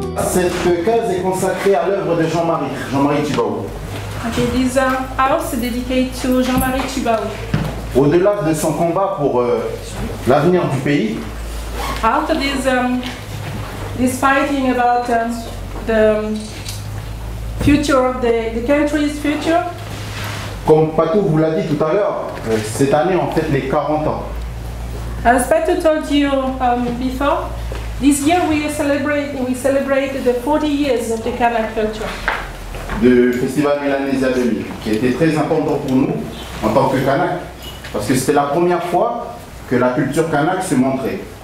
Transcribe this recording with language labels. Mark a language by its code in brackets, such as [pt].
[fr] Cette case est consacrée à l'œuvre de Jean-Marie Tchibao. [en] Ok, this house is dedicated to Jean-Marie Tchibao. [fr] Au-delà de son combat pour l'avenir du pays. [en] After this fighting about the future of the country's future. [fr] Comme Patou vous l'a dit tout à l'heure, cette année en fait les 40 ans. [en] As Patou told you before. This year we celebrate the 40 years of the Kanak culture. [fr] Le festival Mélanésia 2000, qui était très important pour nous en tant que Kanak, parce que c'était la première fois que la culture Kanak s'est montrée.